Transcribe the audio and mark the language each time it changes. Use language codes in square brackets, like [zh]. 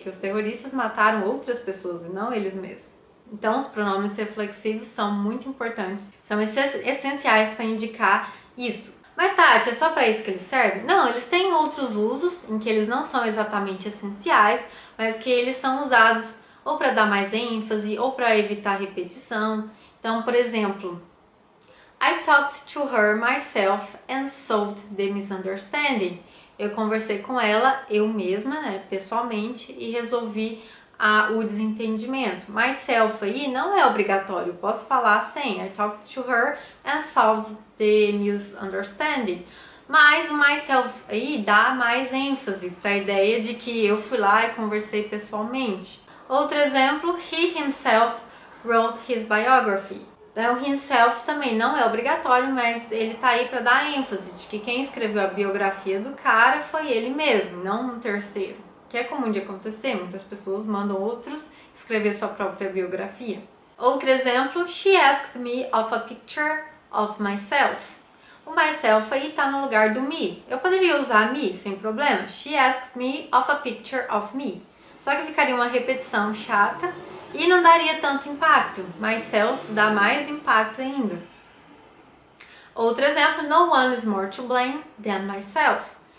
[pt] Que os terroristas mataram outras pessoas e não eles mesmos. Então, os pronomes reflexivos são muito importantes. São essenciais para indicar isso. Mas Tati, é só para isso que eles servem? Não, eles têm outros usos em que eles não são exatamente essenciais, mas que eles são usados ou para dar mais ênfase ou para evitar repetição. Então, por exemplo, [en] I talked to her myself and solved the misunderstanding. [pt] Eu conversei com ela, eu mesma, né, pessoalmente, e resolvi o desentendimento. Myself aí não é obrigatório, posso falar sem. [en] I talked to her and solved the misunderstanding. [pt] Mas o myself aí dá mais ênfase para a ideia de que eu fui lá e conversei pessoalmente. Outro exemplo, [en] he himself wrote his biography. [pt] Então, himself também não é obrigatório, mas ele tá aí para dar ênfase de que quem escreveu a biografia do cara foi ele mesmo, não um terceiro. Que é comum de acontecer, muitas pessoas mandam outros escrever sua própria biografia. Outro exemplo, [en] she asked me of a picture of myself. [pt] O myself aí tá no lugar do me. Eu poderia usar me, sem problema. [en] She asked me of a picture of me. [pt] Só que ficaria uma repetição chata e não daria tanto impacto. Myself dá mais impacto ainda. Outro exemplo, [en] no one is more to blame than myself.